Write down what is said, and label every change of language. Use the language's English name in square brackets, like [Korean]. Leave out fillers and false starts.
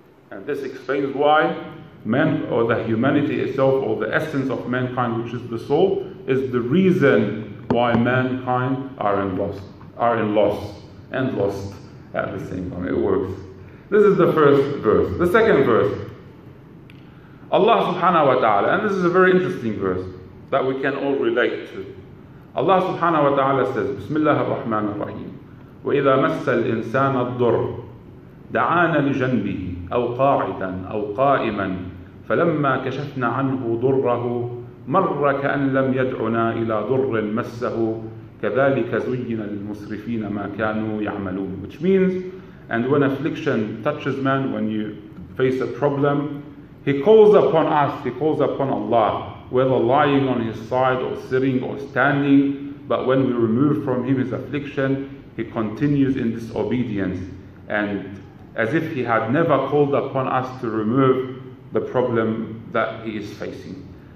[English] And this explains why man, or the humanity itself, or the essence of mankind, which is the soul, is the reason why mankind are lost at the same time. It works. This is the first verse. The second verse, Allah subhanahu wa ta'ala, and this is a very interesting verse that we can all relate to. [Arabic] Allah subhanahu wa ta'ala says, Bismillah ar-Rahman ar-Rahim, وَإِذَا مَسَّ الْإِنسَانَ الضُّرُّ دَعَانَ لِجَنْبِهِ أَوْ قَاعِدًا أَوْ قَائِمًا فَلَمَّا كَشَفْنَا عَنْهُ ضُرَّهُ مَرَّ كَأَنْ لَمْ يَدْعُنَا إِلَى ضُرٍّ مَسَّهُ كَذَلِكَ زُيِّنَ لِلْمُسْرِفِينَ مَا كَانُوا يَعْمَلُونَ. [English] Which means, and when affliction touches man, when you face a problem, he calls upon us, he calls upon Allah, whether lying on his side or sitting or standing, but when we remove from him his affliction, he continues in disobedience, and as if he had never called upon us to remove the problem that he is facing.